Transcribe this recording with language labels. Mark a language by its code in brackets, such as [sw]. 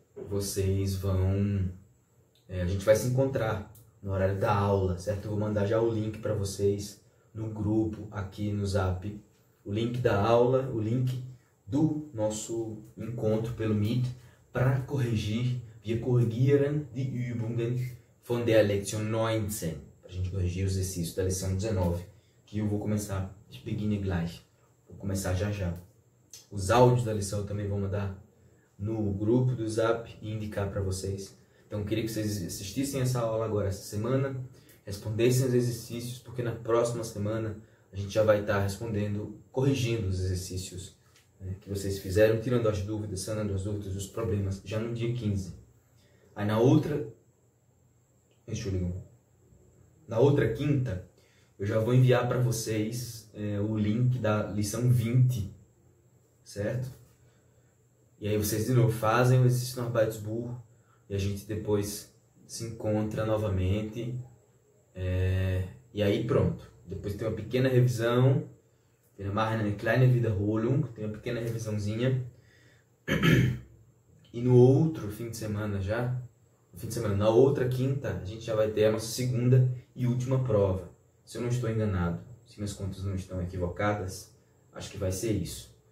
[pt] Vocês vão. A gente vai se encontrar no horário da aula, certo? Eu vou mandar já o link para vocês no grupo, aqui no Zap. O link da aula, o link do nosso encontro pelo Meet para corrigir. [de] Wir korrigieren die Übungen von der Lektion 19. [pt] Para a gente corrigir os exercícios da lição 19. Que eu vou começar. [de] Ich beginne gleich. [pt] Vou começar já já. Os áudios da lição eu também vou mandar no grupo do Zap e indicar para vocês. Então, eu queria que vocês assistissem essa aula agora, essa semana, respondessem os exercícios, porque na próxima semana a gente já vai estar respondendo, corrigindo os exercícios, né, que vocês fizeram, tirando as dúvidas, sanando as dúvidas, os problemas, já no dia 15. Aí na outra. Deixa eu ligar. Na outra quinta, eu já vou enviar para vocês o link da lição 20, certo? E aí vocês de novo fazem o exercício no Arbeitsbuch e a gente depois se encontra novamente. E aí pronto. Depois tem uma pequena revisão. [de] Wir machen eine kleine Wiederholung. [pt] Tem uma pequena revisãozinha. E no outro fim de semana já. No fim de semana, na outra quinta, a gente já vai ter a nossa segunda e última prova. Se eu não estou enganado, se minhas contas não estão equivocadas, acho que vai ser isso.